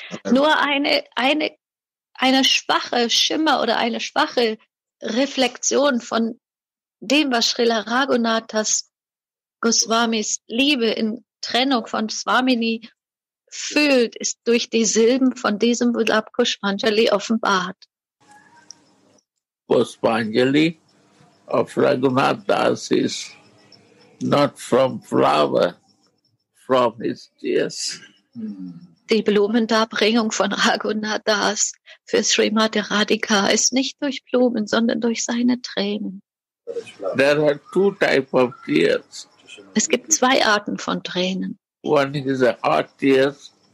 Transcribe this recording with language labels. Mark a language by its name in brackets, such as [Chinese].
[German] Nur eine schwache Schimmer oder eine schwache Reflexion von dem, was Srila Raghunathas Goswamis Liebe in Trennung von Swamini fühlt, ist durch die Silben von diesem Vilapa Kushmacheli offenbart. [English] Kushmacheli of Raghunath Das is not from flower. From his tears. [German] Die Blumendarbringung von Raghunath Das für Srimati Radhika ist nicht durch Blumen, sondern durch seine Tränen. [English] There are two type of tears. [German] Es gibt zwei Arten von Tränen. [English] One is a hot tears.